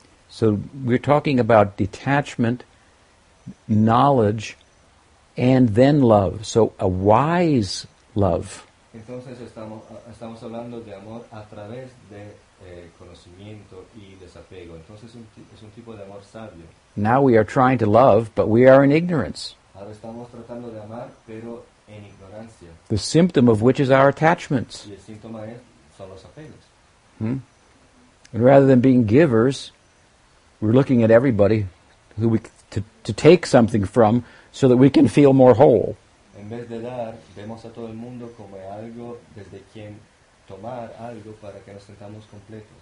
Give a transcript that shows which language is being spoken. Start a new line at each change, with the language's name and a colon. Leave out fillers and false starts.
English: So we're talking about detachment, knowledge, and then love. So a wise love.
Spanish: Entonces estamos hablando de amor a través de conocimiento y desapego. Entonces es un tipo de amor sabio.
English: Now we are trying to love, but we are in ignorance.
Spanish: Ahora estamos tratando de amar, pero en ignorancia.
English: The symptom of which is our attachments.
Spanish: Y el síntoma es, son los apegos.
English: And rather than being givers, we're looking at everybody who we to take something from so that we can feel more whole.
Spanish: En vez de dar, vemos a todo el mundo como algo desde quien tomar algo para que nos sintamos completos.